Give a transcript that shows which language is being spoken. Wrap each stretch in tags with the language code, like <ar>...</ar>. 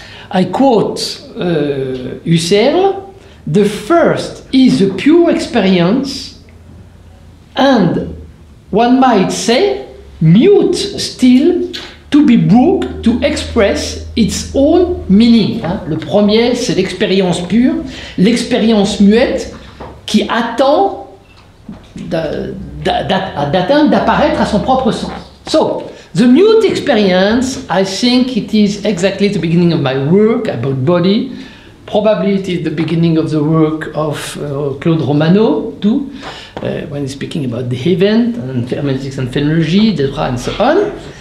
<en>I quote Husserl, "The first is the pure experience, and one might say, mute still, to be brought to express its own meaning."</en> <fr>Le premier, c'est l'expérience pure, l'expérience muette qui attend d'atteindre, d'apparaître à son propre sens.</fr> <en>So, the mute experience, I think it is exactly the beginning of my work about body. Probably it is the beginning of the work of Claude Romano too, when he's speaking about the heaven and hermeneutics and phenomenology, Debra and so on.</en>